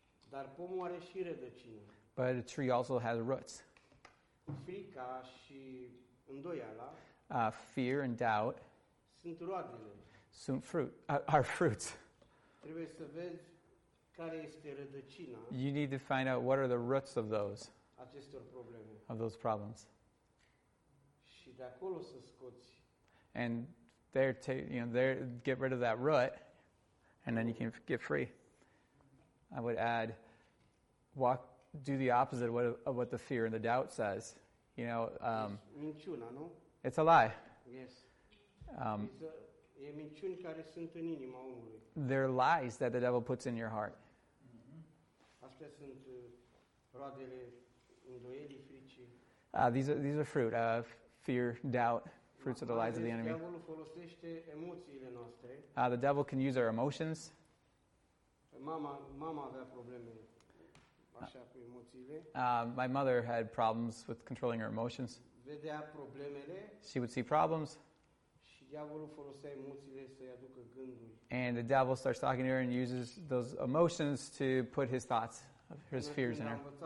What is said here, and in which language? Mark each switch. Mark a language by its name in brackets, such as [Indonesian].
[Romanian] Dar pomul are și rădăcini. [English] But a tree also has roots. [Romanian] Frica și îndoiala [English] fear and doubt [Romanian] sunt roadele. Sunt [English] fruit. Are fruits. [Romanian] Trebuie să vezi care este rădăcina. [English] You need to find out what are the roots of those. [Romanian] Acestor probleme. [English] Of those problems. [Romanian] Și de acolo să scoți. [English] And there there get rid of that root and then you can get free. I would add do the opposite of what the fear and the doubt says. You know, [Romanian] minciuna, nu? [English] It's a lie. Yes. [Romanian] E minciuni care sunt în inima omului. [English] They're lies that the devil puts in your heart. [Romanian] Astea sunt roadele îndoielii, fricii. [English] These are fruit of fear, doubt, fruits of the lies of the enemy. [Romanian] Diavolul folosește emoțiile noastre. [English] The devil can use our emotions. [Romanian] Mama avea probleme așa cu emoțiile. [English] My mother had problems with controlling her emotions. [Romanian] Vedea problemele. [English] She would see problems. [Romanian] Și diavolul folosea emoțiile să-i aducă gânduri. [English] And the devil starts talking to her and uses those emotions to put his thoughts, his fears in her.